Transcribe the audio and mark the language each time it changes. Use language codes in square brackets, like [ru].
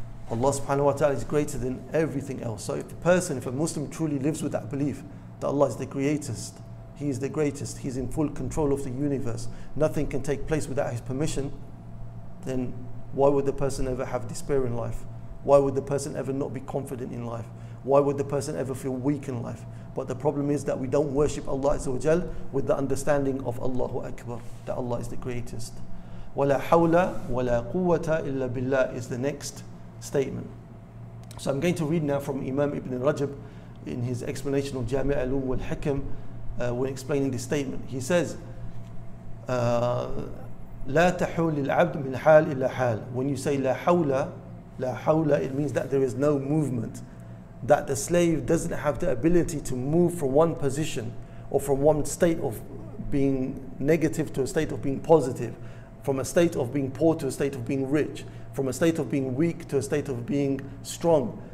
[en] Allah subhanahu wa ta'ala is greater than everything else. So if a Muslim truly lives with that belief that Allah is the greatest, He is the greatest, He's in full control of the universe, nothing can take place without His permission, then why would the person ever have despair in life? Why would the person ever not be confident in life? Why would the person ever feel weak in life? But the problem is that we don't worship Allah Azza wa Jal with the understanding of Allahu Akbar, that Allah is the greatest. [ar] وَلَا حَوْلَ وَلَا قُوَّةَ إِلَّا بِاللَّهِ [en] is the next statement. So I'm going to read now from Imam Ibn Rajab in his explanation of Jami' al-Ulum wal-Hikam when explaining this statement. He says, [ar] لَا تَحُولِ الْعَبْدُ مِنْ حَالِ إِلَّا حَالِ. [en] When you say لا حول, it means that there is no movement, that the slave doesn't have the ability to move from one position or from one state of being negative to a state of being positive, from a state of being poor to a state of being rich, from a state of being weak to a state of being strong.